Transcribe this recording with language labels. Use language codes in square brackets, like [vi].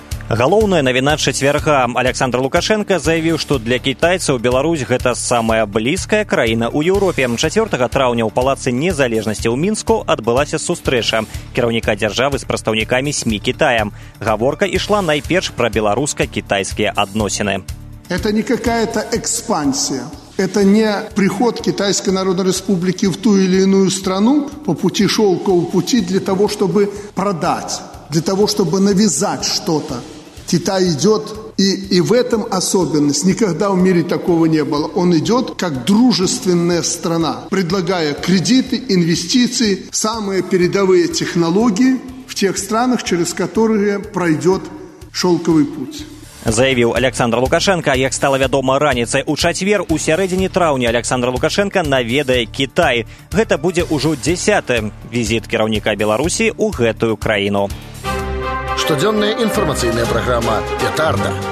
[be] Галоўная навіна чацвярга. Аляксандр Лукашэнка заявіў, што для кітайцаў Беларусь гэта самая блізкая краіна ў Еўропе. 4 траўня ў Палацы Незалежнасці ў Мінску адбылася сустрэча кіраўніка дзяржавы з прадстаўнікамі СМІ Кітая. Гаворка ішла найперш пра беларуска-кітайскія адносіны. [ru] Это не какая-то экспансія. Это не приход Китайской Народной Республики в ту или иную страну по пути шелкового пути для того, чтобы продать, для того, чтобы навязать что-то. Китай идет, и в этом особенность, никогда в мире такого не было. Он идет как дружественная страна, предлагая кредиты, инвестиции, самые передовые технологии в тех странах, через которые пройдет шелковый путь. [be] Заявіў Аляксандр Лукашэнка. Як стала вядома раніцай, у чацвер у сярэдзіне траўня Аляксандр Лукашэнка наведае Кітай. Гэта будзе ўжо 10-ы візіт кіраўніка Беларусі ў гэтую краіну. Штодзённая інфармацыйная праграма «Петарда».